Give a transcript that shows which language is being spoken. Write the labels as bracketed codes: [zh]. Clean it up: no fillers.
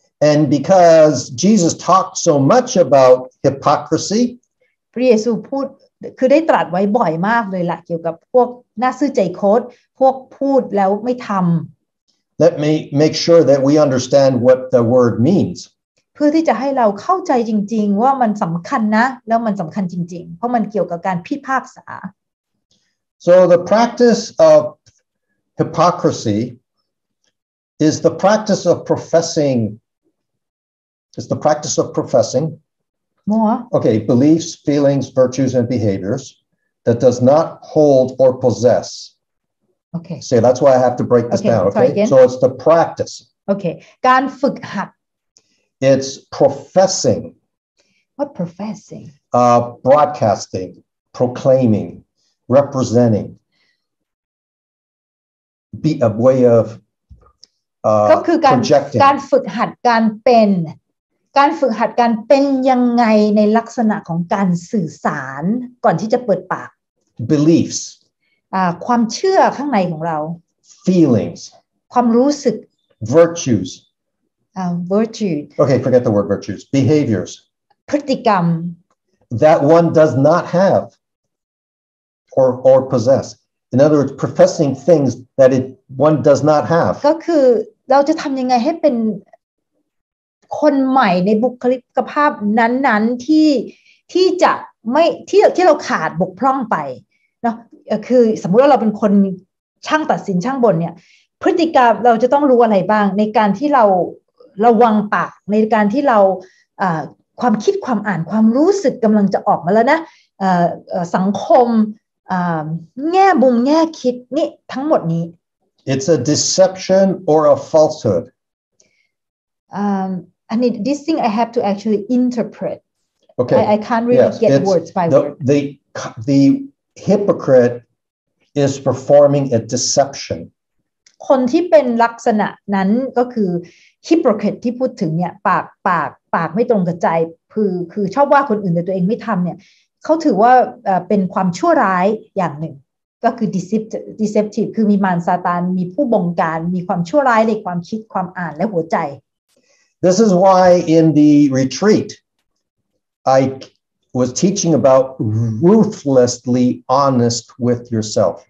[en] And because Jesus talked so much about hypocrisy [th] พระเยซูพูดคือได้ตรัสไว้บ่อยมากเลยล่ะเกี่ยวกับพวกหน้าซื่อใจโคตรพวกพูดแล้วไม่ทำ [en] Let me make sure that we understand what the word means [th] เพื่อที่จะให้เราเข้าใจจริงๆว่ามันสำคัญนะแล้วมันสำคัญจริงๆเพราะมันเกี่ยวกับการพิพากษา [en] So the practice of hypocrisyIs the practice of professing. Is the practice of professing. More. Okay, beliefs, feelings, virtues, and behaviors that does not hold or possess. Okay. So that's why I have to break this down. Okay. So it's the practice. [th] Okay. การฝึกหัด. [en] It's professing. What professing? Broadcasting, proclaiming, representing. Be a way of. [th] ก็คือการฝึกหัดการเป็นการฝึกหัดการเป็นยังไงในลักษณะของการสื่อสารก่อนที่จะเปิดปาก [en] beliefs [th] ความเชื่อข้างในของเรา [en] feelings [th] ความรู้สึก [en] virtues virtues okay forget the word virtues behaviors [th] พฤติกรรม [en] that one does not have or possessIn other words, professing things that it one does not have. [th] ก็คือเราจะทำยังไงให้เป็นคนใหม่ในบุคลิกภาพนั้นๆที่จะไม่ที่เราขาดบกพร่องไปเนาะคือสมมติว่าเราเป็นคนช่างตัดสินช่างบ่นเนี่ยพฤติกรรมเราจะต้องรู้อะไรบ้างในการที่เราระวังปากในการที่เราความคิดความอ่านความรู้สึกกำลังจะออกมาแล้วนะสังคมแง่บุมแง่คิดนี่ทั้งหมดนี้ [en] It's a deception or a falsehood. And this thing I have to actually interpret. Okay. I can't really yes. get It's words by the, word. The hypocrite is performing a deception. [th] คนที่เป็นลักษณะนั้นก็คือ hypocrite ที่พูดถึงเนี่ยปากไม่ตรงกับใจคือชอบว่าคนอื่นแต่ตัวเองไม่ทำเนี่ยเขาถือว่าเป็นความชั่วร้ายอย่างหนึ่งก็คือ deceptive คือมีมารซาตานมีผู้บงการมีความชั่วร้ายในความคิดความอ่านและหัวใจ [en] This is why in the retreat I was teaching about ruthlessly honest with yourself